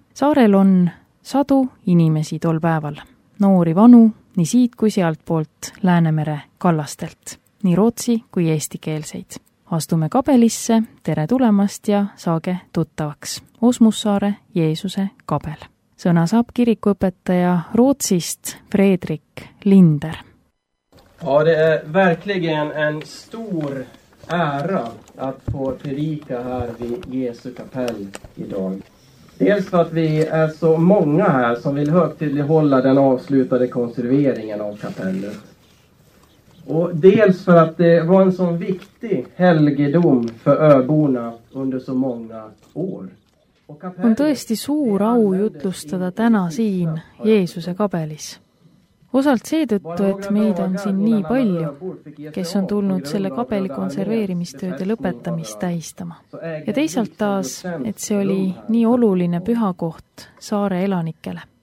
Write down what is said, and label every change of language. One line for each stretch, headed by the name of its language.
Estonian: Saarel on sadu inimesi tol päeval, noori vanu, nii siit kui sealt poolt Läänemere kallastelt, nii rootsi kui eestikeelseid. Astume kabelisse, tere tulemast ja saage tuttavaks. Osmussaare Jeesuse kabel. Sõna saab kirikuõpetaja Rootsist Fredrik Linder.
Swedish: Ja, det är verkligen en stor ära att få predika här vid Jesu kapell idag. Dels för att vi är så många här som vill högtidlighålla den avslutade konserveringen av kapellet. Och dels för att det var en sån viktig helgedom för öborna under så många år. Och kapellet...
Estonian: On tõesti suur au jutlustada täna siin Jeesuse kapelis. Osalt seetõttu, et meid on siin nii palju, kes on tulnud selle kabeli konserveerimistööde lõpetamist tähistama. Ja teisalt taas, et see oli nii oluline pühakoht saare elanikele.